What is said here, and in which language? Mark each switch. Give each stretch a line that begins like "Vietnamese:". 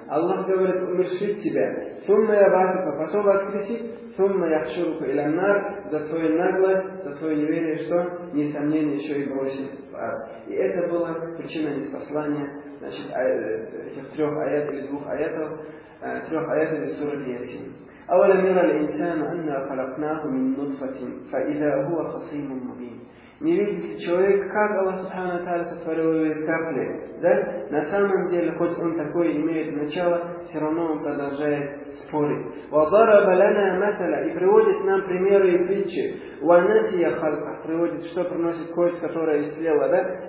Russian: Аллах говорит, умершит тебя.
Arabic: Сумма ябатука,
Russian: потом воскресит.
Arabic: Сумма яхшуруку илям нар.
Russian: За твою наглость, за твое неверие, что? Несомненно, еще и бросит. И это была причина неспослания. Значит, этих трех аятов или двух аятов, трех аятов из суры Ясин.
Arabic: أولم ير الإنسان أنا خلقناه من نطفة فإذا هو خصيم مبين.
Russian: Не видите человек, как Аллах Субхану Тааля сотворил его из капли, да? На самом деле, хоть он такой имеет начало, все равно он продолжает спорить.
Arabic: وَضَرَبَ لَنَا مَثَلًا,
Russian: и приводит нам примеры и притчи.
Arabic: وَنَسِيَ خَلْقَهُ,
Russian: приводит, что приносит кость, которая исцелела, да?